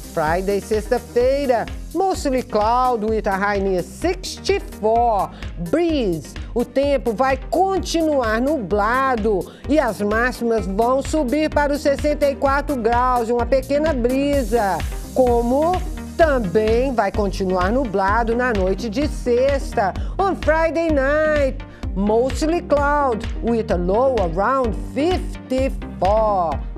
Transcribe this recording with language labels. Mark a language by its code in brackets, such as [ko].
[en] Friday, sexta-feira, mostly cloud with a high near 64. Breeze. [pt] O tempo vai continuar nublado e as máximas vão subir para os 64 graus, uma pequena brisa. Como também vai continuar nublado na noite de sexta. [en] On Friday night, mostly cloud with a low around 54.